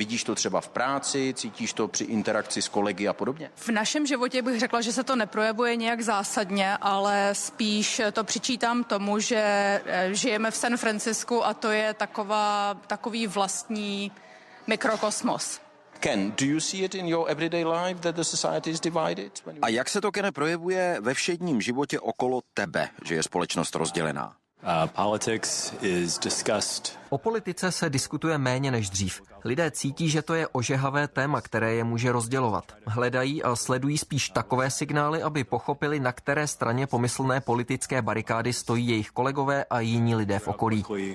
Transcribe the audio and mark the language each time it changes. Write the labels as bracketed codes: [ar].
[cs] Vidíš to třeba v práci, cítíš to při interakci s kolegy a podobně? V našem životě bych řekla, že se to neprojevuje nějak zásadně, ale spíš to přičítám tomu, že žijeme v San Francisku a to je takový vlastní mikrokosmos. [en] Ken, do you see it in your everyday life that the society is divided? [cs] A jak se to, Kene, projevuje ve všedním životě okolo tebe, že je společnost rozdělená? [en] Politics is discussed. [cs] O politice se diskutuje méně než dřív. Lidé cítí, že to je ožehavé téma, které je může rozdělovat. Hledají a sledují spíš takové signály, aby pochopili, na které straně pomyslné politické barikády stojí jejich kolegové a jiní lidé v okolí.